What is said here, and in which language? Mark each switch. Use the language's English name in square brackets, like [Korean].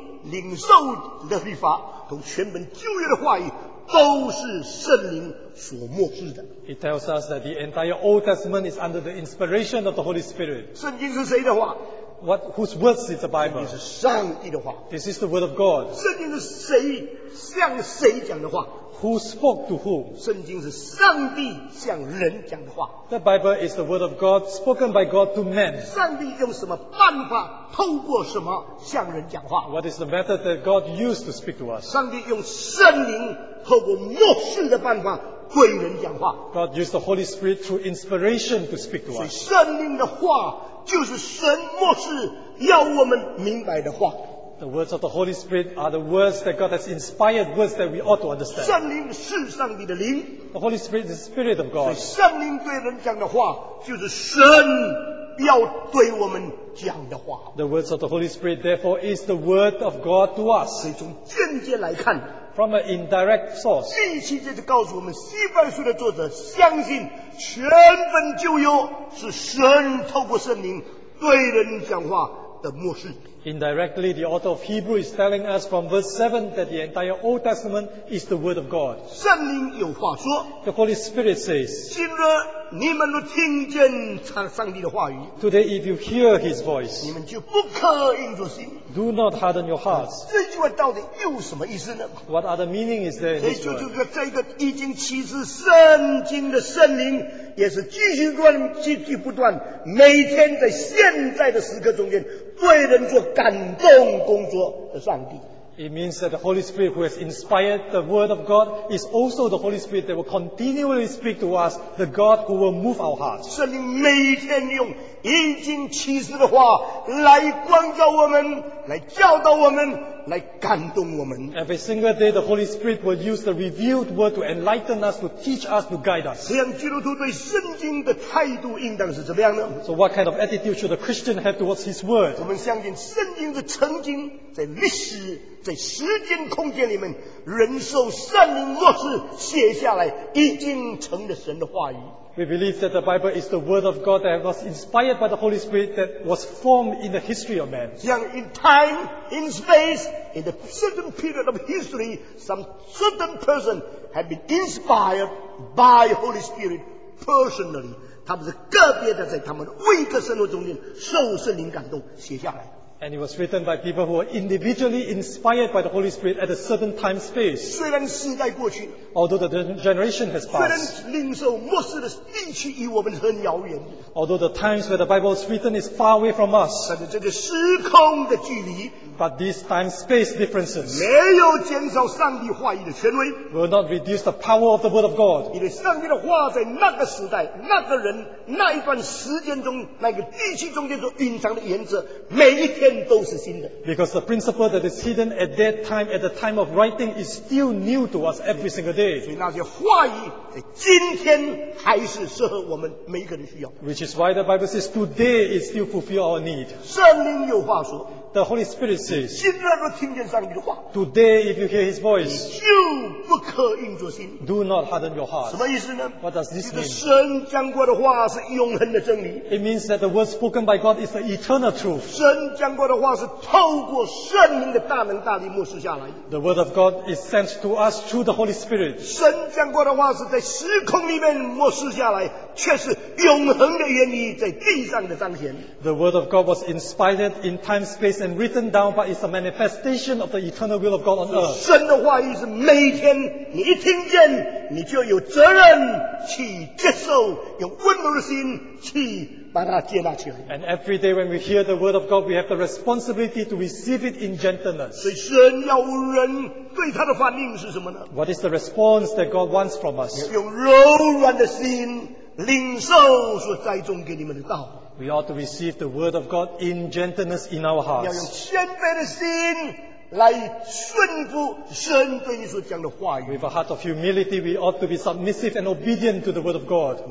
[Chinese] 领受的律法同全本旧约的话语都是圣灵所默示的。 [English] It tells us that the entire Old Testament is under the inspiration of the Holy Spirit. [Chinese] 圣经是谁的话？ [English] What, whose words is the Bible? [Chinese] 是上帝的话。 [English] This is the word of God. [Chinese] 圣经是谁向谁讲的话？ [English] Who spoke to whom? [Chinese] 圣经是上帝向人讲的话。 [English] The Bible is the word of God spoken by God to men. [Chinese] 上帝用什么办法，透过什么向人讲话？ [English] What is the method that God used to speak to us? [Chinese] 上帝用圣灵透过默示的办法对人讲话。 [English] God used the Holy Spirit through inspiration to speak to us. [Chinese] 所以圣灵的话就是神默示要我们明白的话。 [English] The words of the Holy Spirit are the words that God has inspired, words that we ought to understand. [Chinese] 圣灵是上帝的灵。 [English] The Holy Spirit is the Spirit of God. [Chinese] 所以圣灵对人讲的话就是神要对我们讲的话。 [English] The words of the Holy Spirit, therefore, is the word of God to us. [Chinese] 所以从间接来看。 [English] From an indirect source. [Chinese] 第七节就告诉我们，希伯来书的作者相信全本旧约是神透过圣灵对人讲话的默示。 [English] Indirectly, the author of Hebrews is telling us from verse 7 that the entire Old Testament is the word of God. [Chinese] 圣灵有话说。 [English] The Holy Spirit says, [Chinese] 今日你们都听见上帝的话语。 [English] Today, if you hear His voice, [Chinese] 你们就不可硬着心。 [English] Do not harden your hearts. [Chinese] 这句话到底有什么意思呢？ [English] What other meaning is there in this word? [Chinese] 这就是这个已经启示圣经的圣灵也是继续断继续不断每天在现在的时刻中间对人做感动工作的上帝。 [English] It means that the Holy Spirit who has inspired the word of God is also the Holy Spirit that will continually speak to us, the God who will move our hearts. [Chinese] 圣灵每天用已经启示的话来光照我们，来教导我们，来感动我们。 [English] Every single day, the Holy Spirit will use the revealed word to enlighten us, to teach us, to guide us. [Chinese] 这样基督徒对圣经的态度应当是怎么样呢？ [English] So what kind of attitude should a Christian have towards his word? [Chinese] 我们相信圣经是曾经在历史在时间空间里面人受圣灵默示写下来已经成了神的话语。 [English] We believe that the Bible is the word of God that was inspired by the Holy Spirit that was formed in the history of man. 像 in time, in space, in a certain period of history, some certain person have been inspired by Holy Spirit personally. [Chinese] 他们是个别的在他们每个生活中间受圣灵感动写下来。 [English] And it was written by people who were individually inspired by the Holy Spirit at a certain time space. [Chinese] 虽然时代过去, [English] although the generation has passed, [Chinese] 虽然领受末世的地区与我们很遥远, [English] although the times where the Bible is written is far away from us, [Chinese] 但是这个时空的距离, [English] but these time space differences [Chinese] 没有减少上帝话语的权威, [English] will not reduce the power of the Word of God. [Chinese] 因为上帝的话在那个时代、那个人、那一段时间中、那个地区中间所隐藏的原则，每一天都是新的。 [English] Because the principle that is hidden at that time, at the time of writing, is still new to us every single day. [Chinese] 所以那些话语在今天还是适合我们每一个人需要。 [English] Which is why the Bible says today it still fulfills our need. [Chinese] 圣灵有话说。 [English] The Holy Spirit says, [Chinese] 今日若听见上帝的话， [English] Today if you hear His voice, [Chinese] 你就不可硬着心。 [English] Do not harden your heart. [Chinese] 什么意思呢？ [English] What does this mean? [Chinese] 神讲过的话是永恒的真理。 [English] It means that the word spoken by God is the eternal truth. [Chinese] 神讲过的话是透过圣灵的大能大力默示下来。 [English] The word of God is sent to us through the Holy Spirit. [Chinese] 神讲过的话是在时空里面默示下来，却是永恒的原理在地上的彰显。 [English] The word of God was inspired in time, space, and written down, but it's a manifestation of the eternal will of God on earth. [Chinese] 神的话语是每天你一听见，你就有责任去接受，用温柔的心去把它接纳起来。 [English] And every day when we hear the word of God, we have the responsibility to receive it in gentleness. [Chinese] 所以神要人对他的反应是什么呢？ [English] What is the response that God wants from us? [Chinese] 用柔软的心领受所栽种给你们的道。 [English] We ought to receive the word of God in gentleness in our hearts. [Chinese] 要用谦卑的心来顺服神对你所讲的话语。 [English] With a heart of humility, we ought to be submissive and obedient to the word of God.